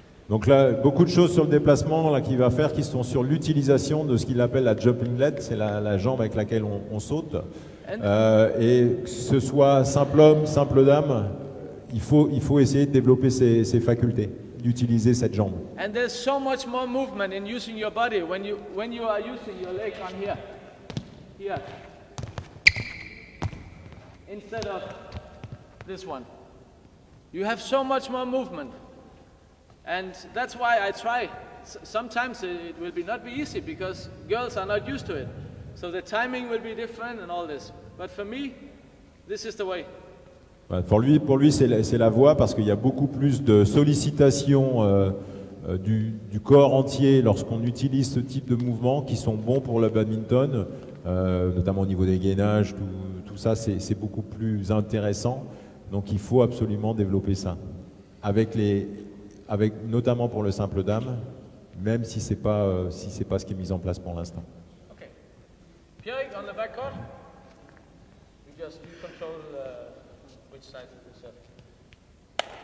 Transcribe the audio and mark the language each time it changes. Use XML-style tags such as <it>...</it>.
<fr>Donc là, beaucoup de choses sur le déplacement là, qu'il va faire qui sont sur l'utilisation de ce qu'il appelle la jumping lead, c'est la jambe avec laquelle on saute. Et que ce soit simple homme, simple dame, il faut essayer de développer ses facultés, d'utiliser cette jambe.</fr> <en>And there's so much more movement in using your body when you are using your leg on here. Here. Instead of this one. You have so much more movement. And that's why I try. Sometimes it will not be easy because girls are not used to it. So the timing will be different and all this. But for me, this is the way.</en> <fr>Pour lui, c'est la voie parce qu'il y a beaucoup plus de sollicitations du corps entier lorsqu'on utilise ce type de mouvement qui sont bons pour le badminton, notamment au niveau des gainages, tout ça, c'est beaucoup plus intéressant. Donc il faut absolument développer ça. Avec notamment pour le simple dame, même si c'est pas si c'est pas ce qui est mis en place pour l'instant.</fr> <en>OK. Pierre, on the back court. You just control which side of the set.</en>